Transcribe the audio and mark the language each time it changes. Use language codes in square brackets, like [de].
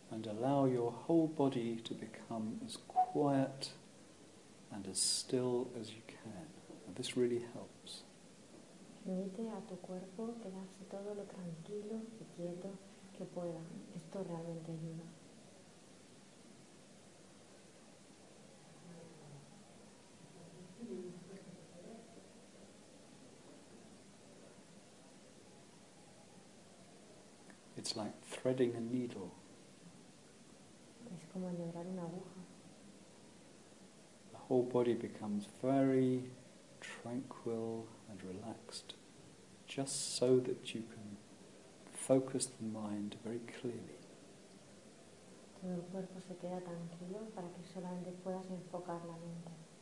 [en] allow your whole body to become as quiet and as still as you can. And this really helps. [es] Permite a tu cuerpo quedarse todo lo tranquilo y quieto que pueda. Esto realmente ayuda. [en] It's like threading a needle. [es] Es como enhebrar una aguja. [en] The whole body becomes very tranquil and relaxed, just so that you can focus the mind very clearly. [es] Todo el cuerpo se queda tranquilo para que solamente puedas enfocar la mente.